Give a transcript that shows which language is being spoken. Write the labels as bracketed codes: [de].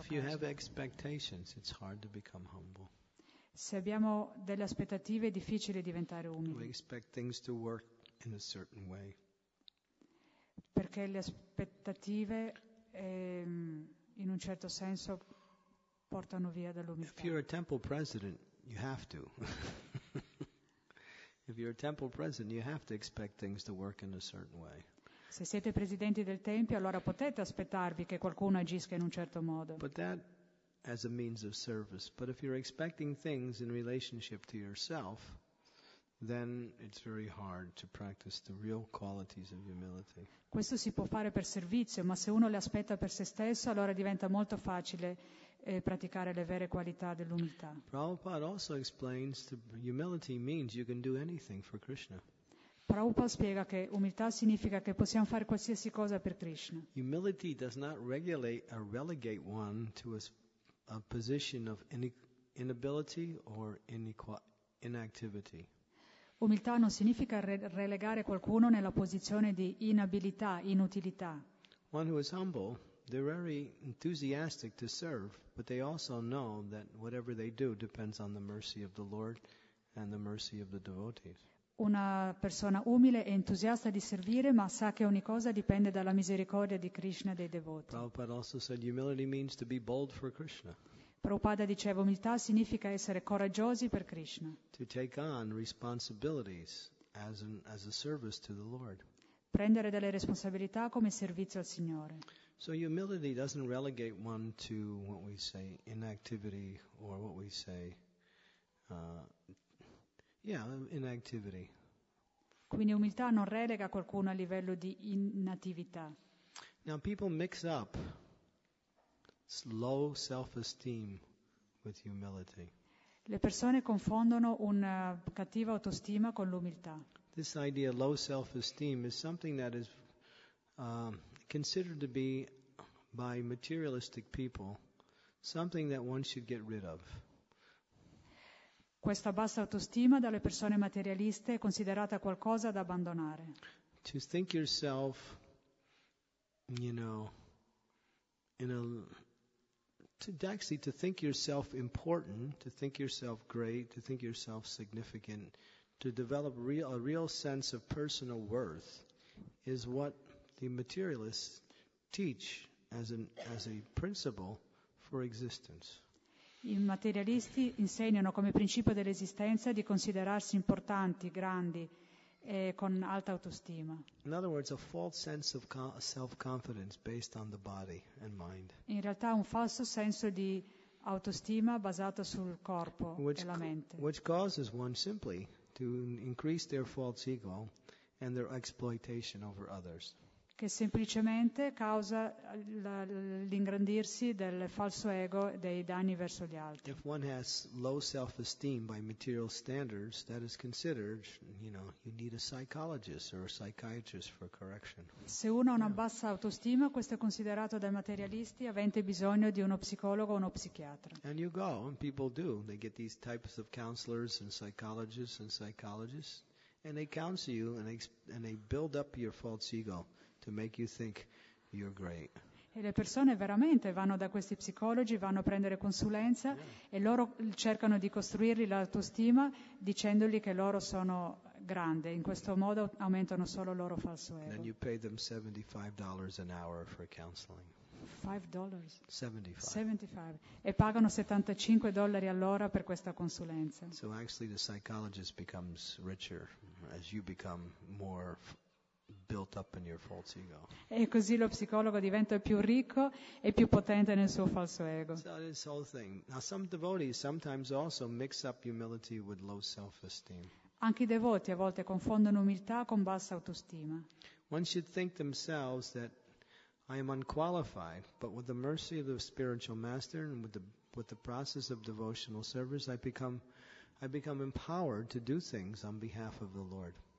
[en] If [it] caso. [en] You have expectations, it's hard to become humble. [it] Se abbiamo delle aspettative, è difficile diventare umili. [en] We expect things to work in a certain way. [it] Perché le aspettative, in un certo senso, portano via dall'umiltà. [en] If you're a temple president, you have to. If you're a temple president, you have to expect things to work in a certain way. [it] Se siete presidenti del tempio, allora potete aspettarvi che qualcuno agisca in un certo modo. [en] But that as a means of service. But if you're expecting things in relationship to yourself, then it's very hard to practice the real qualities of humility. [it] Questo si può fare per servizio, ma se uno le aspetta per se stesso, allora diventa molto facile praticare le vere qualità dell'umiltà. [en] Prabhupada also explains that humility means you can do anything for Krishna. [it] Prabhupada spiega che umiltà significa che possiamo fare qualsiasi cosa per Krishna. [en] Humility does not regulate or relegate one to a position of inability or inactivity. [it] Umiltà non significa relegare qualcuno nella posizione di inabilità, inutilità. [en] One who is humble, they're very enthusiastic to serve, but they also know that whatever they do depends on the mercy of the Lord and the mercy of the devotees. [it] Una persona umile è entusiasta di servire, ma sa che ogni cosa dipende dalla misericordia di Krishna e dei devoti. [en] Prabhupada also said humility means to be bold for Krishna. [it] Prabhupada diceva umiltà significa essere coraggiosi per Krishna. [en] To take on responsibilities as a service to the Lord. [it] Prendere delle responsabilità come servizio al Signore. [en] So humility doesn't relegate one to what we say inactivity or what we say inactivity. [it] Quindi umiltà non relega qualcuno a livello di inattività. [en] Now people mix up low self-esteem with humility. [it] Le persone confondono una cattiva autostima con l'umiltà. [en] This idea of low self-esteem is something that is considered to be by materialistic people something that one should get rid of. [it] Questa bassa autostima dalle persone materialiste è considerata qualcosa da abbandonare. [en] To think yourself, to think yourself important, to think yourself great, to think yourself significant, to develop a real sense of personal worth is what the materialists teach as a principle for existence. [it] I materialisti insegnano come principio dell'esistenza di considerarsi importanti, grandi e con alta autostima. [en] In other words, a false sense of self-confidence based on the body and mind. [it] In realtà un falso senso di autostima basato sul corpo e la mente. [en] Which causes one simply to increase their false ego and their exploitation over others. [it] Che semplicemente causa l'ingrandirsi del falso ego e dei danni verso gli altri. [en] If one has low self-esteem by material standards, that is considered, you need a psychologist or a psychiatrist for correction. [it] Se uno ha una bassa autostima, questo è considerato dai materialisti avente bisogno di uno psicologo o uno psichiatra. [en] And you go, and people do. They get these types of counselors and psychologists, and they counsel you and they build up your false ego. To make you think you're great. [it] E le persone veramente vanno da questi psicologi, vanno a prendere consulenza e loro cercano di costruirgli l'autostima dicendogli che loro sono grande. In questo modo aumentano solo il loro falso ego. [en] And you pay them $75 an hour for counseling. [it] $5? $75. E pagano $75 all'ora per questa consulenza. [en] So actually the psychologist becomes richer as you become more built up in your false ego. [it] E così lo psicologo diventa più ricco e più potente nel suo falso ego. [en] So this whole thing. Now some devotees sometimes also mix up humility with low self-esteem. [it] Anche i devoti a volte confondono umiltà con bassa autostima. [en] One should think themselves that I am unqualified, but with the mercy of the spiritual master and with the process of devotional service, I become empowered to do things on behalf of the Lord.